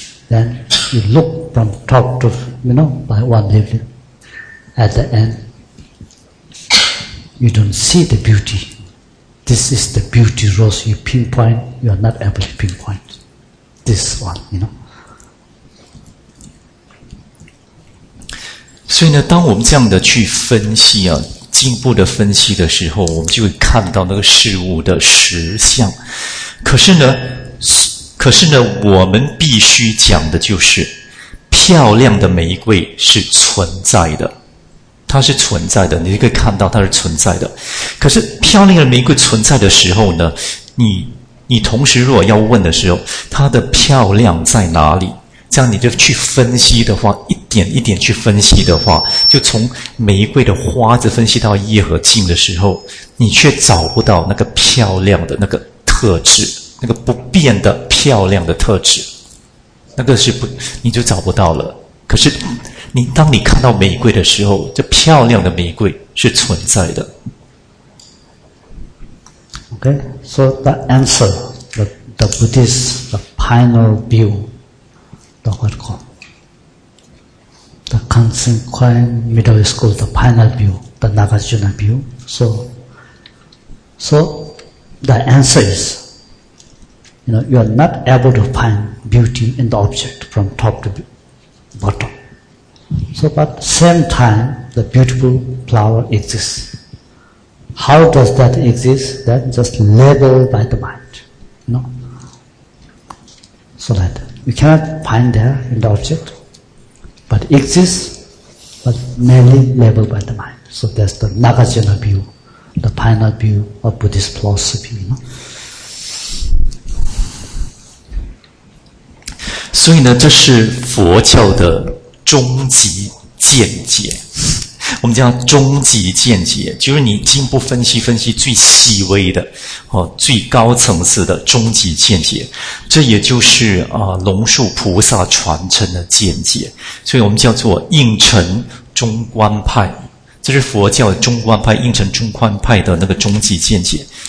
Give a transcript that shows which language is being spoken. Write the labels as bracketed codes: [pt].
[en] Then you look from top to, you know, by one level. At the end, you don't see the beauty. This is the beauty rose you pinpoint. You are not able to pinpoint this one, you know. [zh] 所以呢，当我们这样的去分析啊，进一步的分析的时候，我们就会看到那个事物的实相。可是呢，我们必须讲的就是，漂亮的玫瑰是存在的，它是存在的，你可以看到它是存在的。可是漂亮的玫瑰存在的时候呢，你同时如果要问的时候，它的漂亮在哪里？这样你就去分析的话，一点一点去分析的话，就从玫瑰的花子分析到叶和茎的时候，你却找不到那个漂亮的那个特质，那个不变的漂亮的特质，那个是不，你就找不到了。可是你当你看到玫瑰的时候，这漂亮的玫瑰是存在的。 [en] Okay, so the answer, the Buddhist, the final view,the what called the consequent middle school, the final view, the Nagarjuna view. So the answer is, you know, you are not able to find beauty in the object from top to bottom. So, but same time, the beautiful flower exists. How does that exist? That just level by the mind, you know. So that. You cannot find there in the object, but exists, but mainly labeled by the mind. So that's the Nagarjuna view, the final view of Buddhist philosophy, you know. [zh] 所以呢，这是佛教的终极见解。我们讲终极见解，就是你进一步分析最细微的，哦，最高层次的终极见解，这也就是龙树菩萨传承的见解，所以我们叫做应成中观派，这是佛教的中观派，应成中观派的那个终极见解。